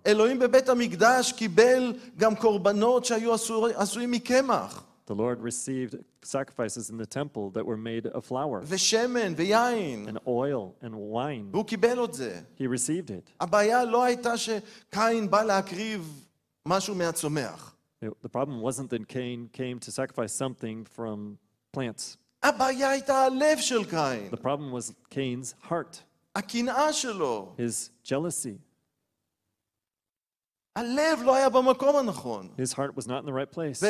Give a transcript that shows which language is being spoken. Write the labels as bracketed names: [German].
[Hebrew] אלוהים בבית המקדש קיבל גם קורבנות שהיו עשויים מקמח. [English] The Lord received sacrifices in the temple that were made of flour. [Hebrew] ושמן ויין. [English] And oil and wine. [Hebrew] והוא קיבל את זה. [English] He received it. [Hebrew] הבעיה לא הייתה שקין בא להקריב משהו מהצומח. [English] The problem wasn't that Cain came to sacrifice something from plants. [Hebrew] הבעיה הייתה הלב של קין. [English] The problem was Cain's heart. [Hebrew] הקנאה שלו. [English] His jealousy. [Hebrew] הלב לא היה במקום הנכון. [English] His heart was not in the right place.